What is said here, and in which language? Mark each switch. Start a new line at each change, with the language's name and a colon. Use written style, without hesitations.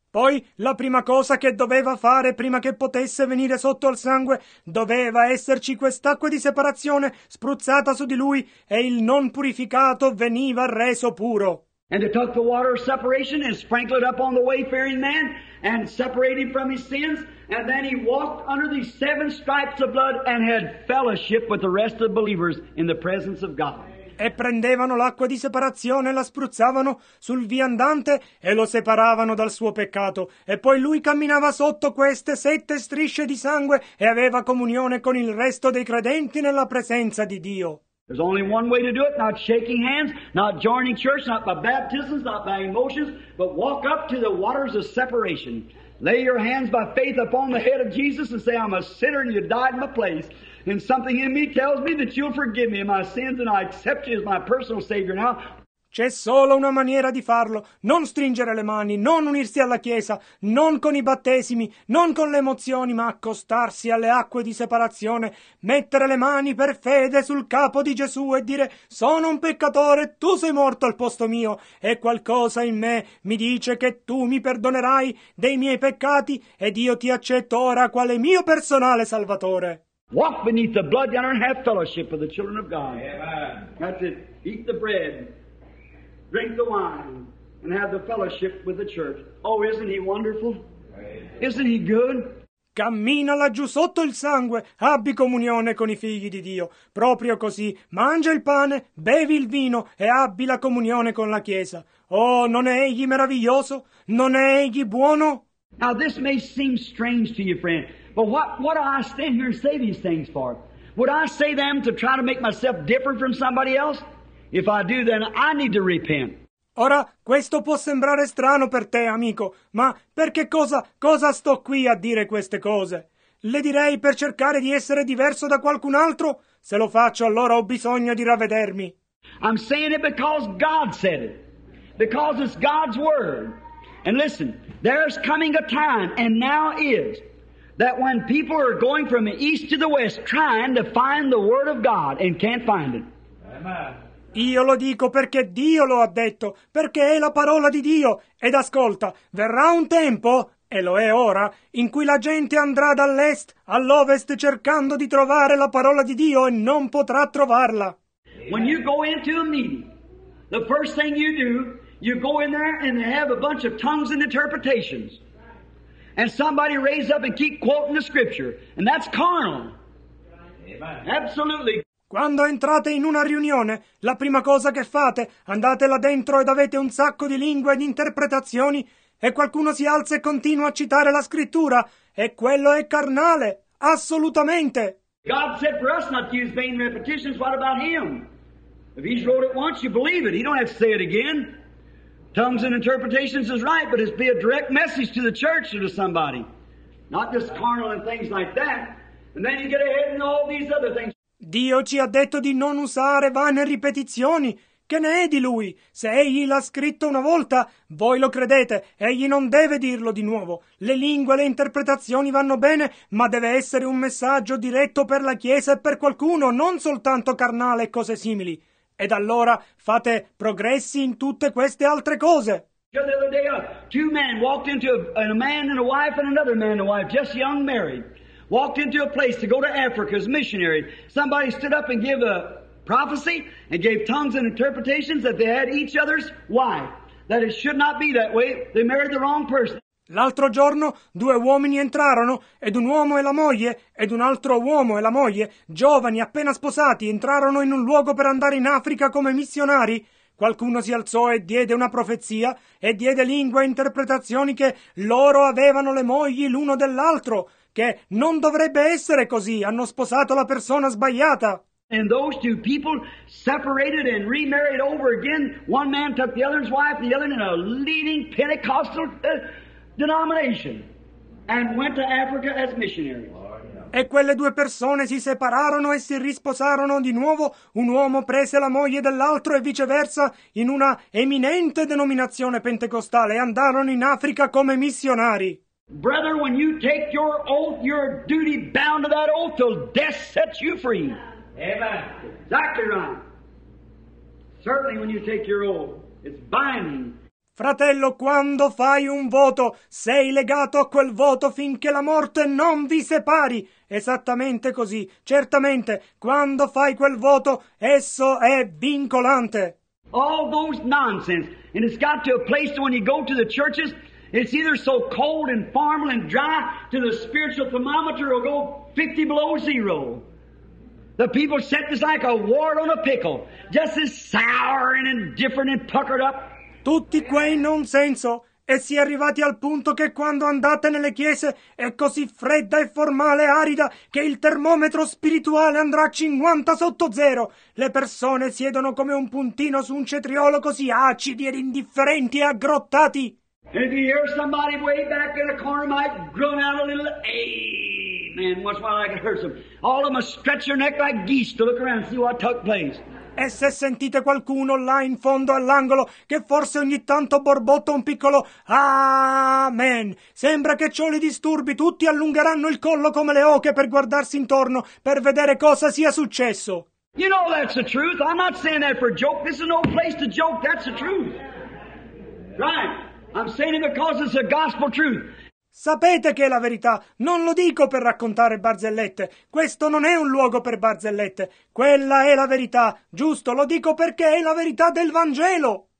Italian: Poi la prima cosa che doveva fare prima che potesse venire sotto al sangue doveva esserci quest'acqua di separazione spruzzata su di lui e il non purificato veniva reso puro.
English: And they took the water of separation and sprinkled it up on the wayfaring man and separated him from his sins and then he walked under these 7 stripes of blood and had fellowship with the rest of the believers in the presence of God.
Italian: E prendevano l'acqua di separazione, la spruzzavano sul viandante e lo separavano dal suo peccato. E poi lui camminava sotto queste 7 strisce di sangue e aveva comunione con il resto dei credenti nella presenza di Dio.
English: There's only one way to do it, not shaking hands, not joining church, not by baptisms, not by emotions, but walk up to the waters of separation. Lay your hands by faith upon the head of Jesus and say, I'm a sinner and you died in my place. And something in me tells me that you'll forgive me of my sins and I accept you as my personal Savior now.
Italian: C'è solo una maniera di farlo. Non stringere le mani, non unirsi alla Chiesa, non con i battesimi, non con le emozioni, ma accostarsi alle acque di separazione, mettere le mani per fede sul capo di Gesù e dire «Sono un peccatore, tu sei morto al posto mio, e qualcosa in me mi dice che tu mi perdonerai dei miei peccati ed io ti accetto ora quale mio personale salvatore».
English: Walk beneath the blood and have fellowship with the children of God. Amen. That's it. Eat the bread. Drink the wine and have the fellowship with the church. Oh, isn't he wonderful? Isn't he good?
Italian: Cammina laggiù sotto il sangue, abbi comunione con i figli di Dio. Proprio così, mangia il pane, bevi il vino e abbi la comunione con la Chiesa. Oh, non è egli meraviglioso? Non è egli buono?
English: Now this may seem strange to you, friend, but what do I stand here and say these things for? Would I say them to try to make myself different from somebody else? If I do, then I need to repent.
Italian: Ora, questo può sembrare strano per te, amico, ma per che cosa sto qui a dire queste cose? Le direi per cercare di essere diverso da qualcun altro? Se lo faccio, allora ho bisogno di ravvedermi.
English: I'm saying it because God said it. Because it's God's word. And listen, there's coming a time, and now is, that when people are going from the east to the west trying to find the word of God and can't find it. Amen.
Italian: Io lo dico perché Dio lo ha detto, perché è la parola di Dio. Ed ascolta, verrà un tempo, e lo è ora, in cui la gente andrà dall'est all'ovest cercando di trovare la parola di Dio e non potrà trovarla.
English: When you go into a meeting, the first thing you do, you go in there and they have a bunch of tongues and interpretations. And somebody raise up and keep quoting the scripture. And that's carnal. Absolutely.
Italian: Quando entrate in una riunione, la prima cosa che fate, andate là dentro ed avete un sacco di lingue e di interpretazioni, e qualcuno si alza e continua a citare la scrittura, e quello è carnale, assolutamente.
English: God said for us not to use vain repetitions, what about him? If he's wrote it once, you believe it, he don't have to say it again. Tongues and interpretations is right, but it's be a direct message to the church or to somebody. Not just carnal and things like that. And then you get ahead in all these other things.
Italian: Dio ci ha detto di non usare vane ripetizioni. Che ne è di lui? Se egli l'ha scritto una volta, voi lo credete. Egli non deve dirlo di nuovo. Le lingue e le interpretazioni vanno bene, ma deve essere un messaggio diretto per la Chiesa e per qualcuno, non soltanto carnale e cose simili. Ed allora fate progressi in tutte queste altre cose.
English: Two men walked into a man and a wife and another man and a wife, just young married. Walked into a place to go to Africa as missionary. Somebody stood up and gave a prophecy and gave tongues and interpretations that they had each other's wife. That it should not be that way. They married the wrong person.
Italian: L'altro giorno due uomini entrarono ed un uomo e la moglie ed un altro uomo e la moglie, giovani appena sposati, entrarono in un luogo per andare in Africa come missionari. Qualcuno si alzò e diede una profezia e diede lingue e interpretazioni che loro avevano le mogli l'uno dell'altro. Che non dovrebbe essere così, hanno sposato la persona sbagliata.
English: And those two people separated and remarried over again. One man took the other's wife, the other in a leading Pentecostal denomination, and went to Africa as missionaries.
Italian: E quelle due persone si separarono e si risposarono di nuovo. Un uomo prese la moglie dell'altro e viceversa in una eminente denominazione pentecostale e andarono in Africa come missionari.
English: Brother, when you take your oath, you're duty bound to that oath till death sets you free. Amen. Exactly right. Certainly when you take your oath, it's binding.
Italian: Fratello, quando fai un voto, sei legato a quel voto finché la morte non vi separi. Esattamente così. Certamente, quando fai quel voto, esso è vincolante.
English: All those nonsense. And it's got to a place when you go to the churches. It's either so cold and formal and dry to the spiritual thermometer or go 50 below zero. The people set this like a wart on a pickle, just as sour and indifferent and puckered up.
Italian: Tutti quei nonsenso, e si è arrivati al punto che quando andate nelle chiese è così fredda e formale e arida che il termometro spirituale andrà a 50 sotto zero. Le persone siedono come un puntino su un cetriolo, così acidi ed indifferenti e aggrottati.
English: If you hear somebody way back in a corner might groan out a little, amen, once while I can hear some. All of them stretch their neck like geese to look around and see what took place.
Italian: E se sentite qualcuno là in fondo all'angolo che forse ogni tanto borbotta un piccolo amen, sembra che ciò li disturbi, tutti allungheranno il collo come le oche per guardarsi intorno per vedere cosa sia successo.
English: You know that's the truth. I'm not saying that for joke. This is no place to joke. That's the truth. Right. I'm saying it because it's a gospel truth.
Italian: Sapete che è la verità, non lo dico per raccontare barzellette, questo non è un luogo per barzellette, quella è la verità, giusto, lo dico perché è la verità del Vangelo.